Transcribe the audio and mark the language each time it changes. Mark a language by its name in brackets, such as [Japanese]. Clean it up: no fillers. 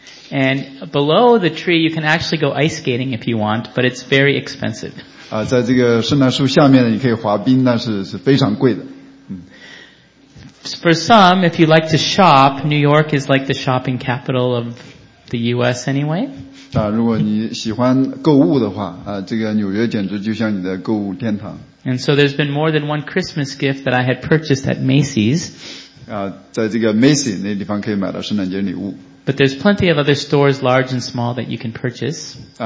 [English] And below the tree, you can actually go ice skating if you want, but it's very expensive. [Chinese] 在这个圣诞树下面呢，你可以滑冰，但是是非常贵的。 [English] For some, if you like to shop, New York is like the shopping capital of the U.S. anyway. [Chinese] 如果你喜欢购物的话，这个纽约简直就像你的购物天堂。 [English] And so there's been more than one Christmas gift that I had purchased at Macy's. [Chinese] 在这个Macy那地方可以买到圣诞节礼物。 [English] But there's plenty of other stores, large and small, that you can purchase.